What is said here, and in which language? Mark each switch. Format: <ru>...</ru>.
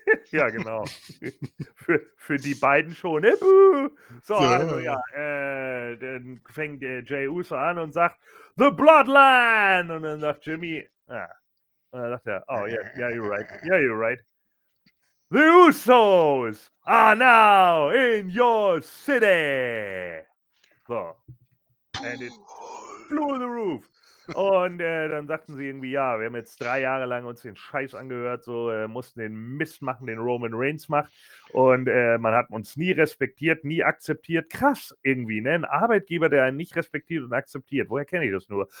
<de>Ja, genau. Für die beiden schon. Also, dann fängt der Jey Uso an und sagt, The Bloodline! Und dann sagt Jimmy, und dann dachte er,</de> <en>you're right. The Usos are now in your city. So. And it blew the roof.</en> <de>Und dann sagten sie irgendwie, ja, wir haben jetzt 3 Jahre lang uns den Scheiß angehört, so mussten den Mist machen, den Roman Reigns macht. Und man hat uns nie respektiert, nie akzeptiert. Krass irgendwie, ne? Ein Arbeitgeber, der einen nicht respektiert und akzeptiert. Woher kenne ich das nur?</de>